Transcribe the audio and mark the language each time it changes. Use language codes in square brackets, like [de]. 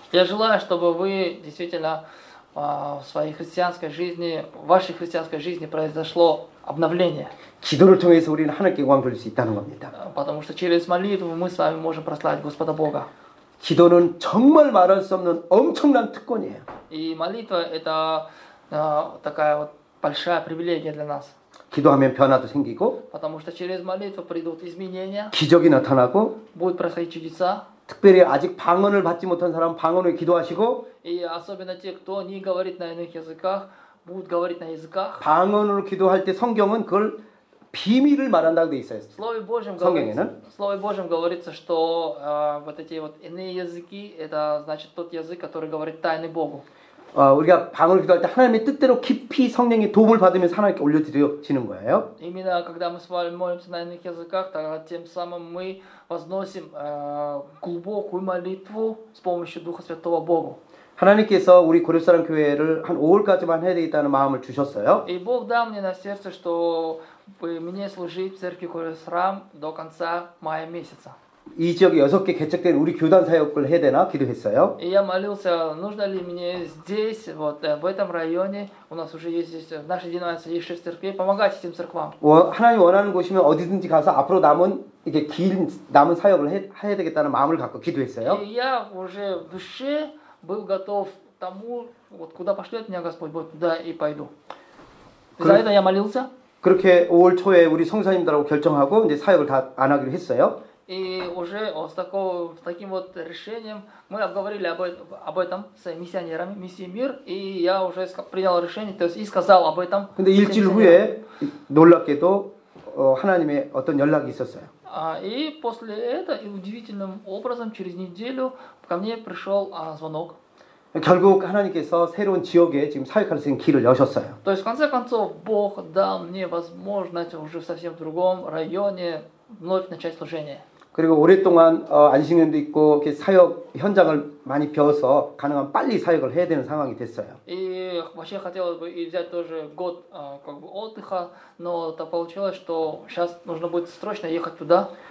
[ru] Я желаю, чтобы вы действительно в своей христианской жизни, в вашей христианской жизни произошло обновление. [ko] 기도를 통해서 우리는 하나님께 영광 돌릴 수 있다는 겁니다. [ru] Потому что через молитву мы с вами можем прославить Господа Бога. [ko] 기도는 정말 말할 수 없는 엄청난 특권이에요. [ru] И молитва это такая вот большая привилегия для нас. [ko] 기도하면 변화도 생기고 [ru] потому что через молитву придут изменения. [ko] 기적이 나타나고 [ru] будут происходить чудеса. [ko] 특별히 아직 방언을 받지 못한 사람 방언을 기도하시고 [ru] и особенно те, кто не говорит на иных языках, будут говорить на языках. [ko] 방언으로 기도할 때 성경은 그걸 비밀을 말한다고 돼 있어요. 슬로이 보좀 성경에는 슬로이 보좀 [ru] говорится, что вот эти вот иные языки это значит тот язык, который говорит тайны Богу. [ko] 우리가 방언을 기도할 때 하나님의 뜻대로 깊이 성령의 도움을 받으면서 하나님께 올려드려지는 거예요. [ru] Именно когда мы с вами молимся на иных языках, тогда тем самым мы возносим глубокую молитву с помощью Духа Святого Богу. [ko] 하나님께서 우리 고려사람 교회를 한 5월까지만 해야 되겠다는 마음을 주셨어요. [ru] И Бог дал мне на сердце, что мне служить в церкви Коресрам до конца мая месяца. [ko] 이 지역에 여섯 개 개척된 우리 교단 사역을 해야 되나 기도했어요. [ru] И я молился, нужно ли мне здесь, вот в этом районе, у нас уже есть здесь, в нашей деноминации есть 6 церквей, помогать этим церквам. [ko] 하나님 원하는 곳이면 어디든지 가서 앞으로 남은 이게 길 남은 사역을 해야 되겠다는 마음을 갖고 기도했어요. [ru] И я уже в душе был готов к тому, вот куда пошлет меня Господь, вот туда и пойду. За это я молился. [ko] 그렇게 5월 초에 우리 성사님들하고 결정하고 이제 사역을 다 안 하기로 했어요. [ru] И уже с таким вот решением мы обговорили об этом с миссионерами, миссии мир, и я уже принял решение, то есть и сказал об этом. [ko] 근데 일주일 후에 놀랍게도 하나님의 어떤 연락이 있었어요. [ru] И после этого, и удивительным образом, через неделю ко мне пришел звонок. [ko] 결국 하나님께서 새로운 지역에 지금 사역할 수 있는 길을 여셨어요. [ru] То есть, в конце концов, Бог дал мне возможность уже в совсем другом районе вновь начать служение. [ko] 그리고 오랫동안 안식년도 있고 이렇게 사역 현장을 많이 배워서 가능한 빨리 사역을 해야 되는 상황이 됐어요. [ru] 이 вообще хотелось бы взять тоже год как бы отдыха, но так получилось, что сейчас нужно будет срочно ехать туда.